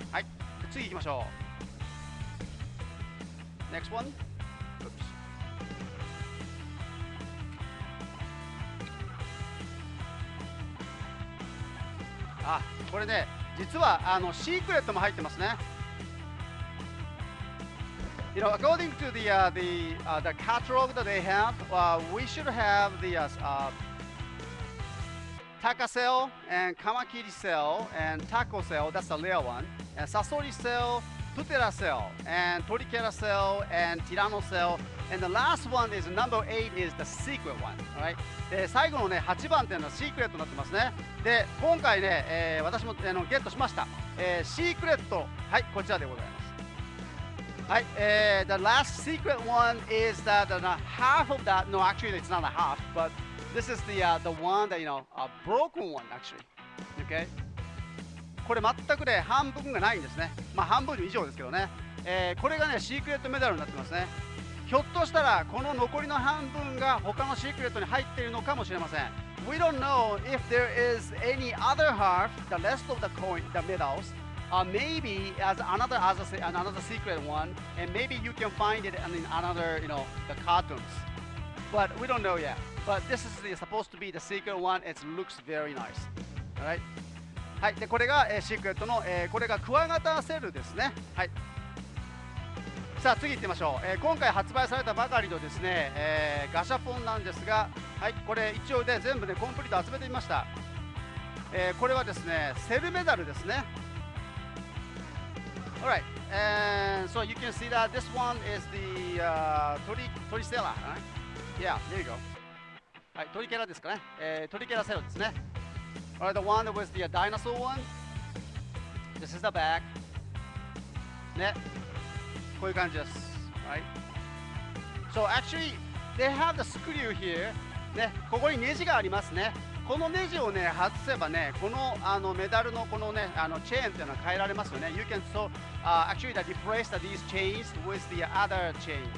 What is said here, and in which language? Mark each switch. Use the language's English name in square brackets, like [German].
[Japanese] はい、次行きましょう。 [English] Next one。 Oops。 [Japanese] あ、これね実はあのシークレットも入ってますね。 [English] You know, according to the catalog that they have, we should have the Takasel and Kamakiri Cell and Taco Cell, that's the rare one, and Sasori Cell, Tutera Cell, and Torikera Cell, and Tirano Cell, and the last one is number 8 is the secret one, right? [Japanese] で最後の、ね、8番っていうのはシークレットになってますね。で今回ね、私も、ゲットしました。シークレット、はい、こちらでございます。 [English] はい、the last secret one is that half of that, no actually it's not a half, but this is the one that, you know, a broken one actually, okay? [Japanese] これ全くね、半分がないんですね。まあ半分以上ですけどね。これがね、シークレットメダルになってますね。ひょっとしたらこの残りの半分が他のシークレットに入っているのかもしれません。 [English] We don't know if there is any other half, the rest of the coin, the medals,maybe as another secret one, and maybe you can find it in another, you know, the cartoons. But we don't know yet. But this is supposed to be the secret one. It looks very nice. All right. はい。 [Japanese] でこれが、シークレットの、これがクワガタセルですね。はい。さあ次行ってみましょう。今回発売されたばかりのですね、ガシャポンなんですが、はい。これ一応で、ね、全部で、ね、コンプリート集めてみました。これはですねセルメダルですね。 [English] All right, and so you can see that this one is the Torikera, right? Yeah, there you go. [Japanese] はい、Torikera ですかね。 Torikera セルですね。 [English] All right, the one that was the dinosaur one. This is the back. [Japanese] ね、こういう感じです。 [English] Right? So actually, they have the screw here. [Japanese] ね、ここにネジがありますね。このネジをね外せばね、このあのメダルのこのね、あのチェーンっていうのは変えられますよね。 [English] You can so、actually that replace that these chains with the other chains.